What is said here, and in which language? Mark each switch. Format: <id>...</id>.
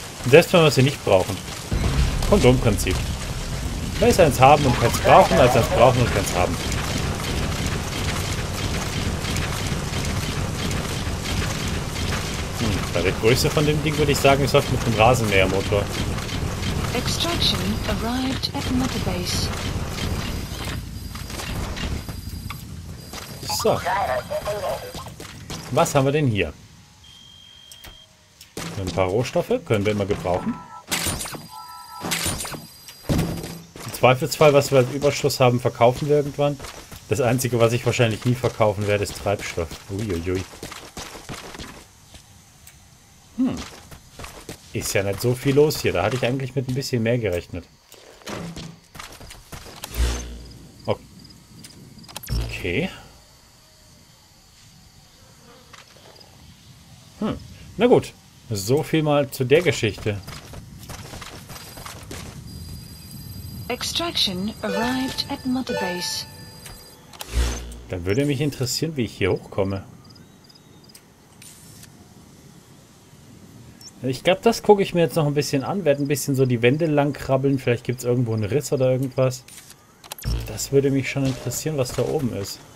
<de>Selbst wenn wir sie nicht brauchen. Kondomprinzip. Besser eins haben und keins brauchen, als eins brauchen und keins haben. Bei der Größe von dem Ding würde ich sagen, ist das mit dem Rasenmähermotor.</de> <en>Extraction arrived at Mother Base.</en> <de>So. Was haben wir denn hier? Ein paar Rohstoffe können wir immer gebrauchen. Im Zweifelsfall, was wir als Überschuss haben, verkaufen wir irgendwann. Das Einzige, was ich wahrscheinlich nie verkaufen werde, ist Treibstoff. Uiuiui. Ist ja nicht so viel los hier. Da hatte ich eigentlich mit ein bisschen mehr gerechnet. Okay. Na gut. So viel mal zu der Geschichte.</de> <en>Extraction arrived at Mother Base.</en> <de>Dann würde mich interessieren, wie ich hier hochkomme. Ich glaube, das gucke ich mir jetzt noch ein bisschen an. Werde ein bisschen so die Wände lang krabbeln. Vielleicht gibt es irgendwo einen Riss oder irgendwas. Das würde mich schon interessieren, was da oben ist.</de>